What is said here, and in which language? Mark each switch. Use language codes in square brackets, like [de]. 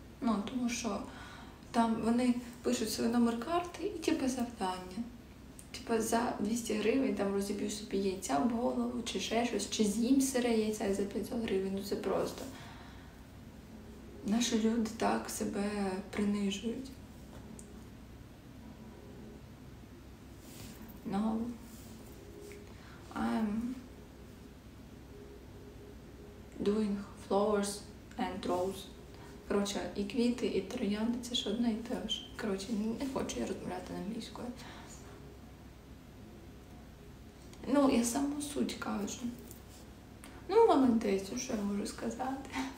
[uk] Ну, тому що там вони пишуть свій номер карти і типу завдання. Типу за 200 гривень там розіб'ю собі яйця в голову, чи ще щось, чи з'їм сире яйця за 500 гривень. Ну це просто. Наші люди так себе принижують. [en] Ну, I'm doing flowers and rose. [uk] Коротше, і квіти, і троянди — це ж одне і те ж. Коротше, не хочу я розмовляти англійською. Ну, я саму суть кажу. Ну, молодець, що я можу сказати.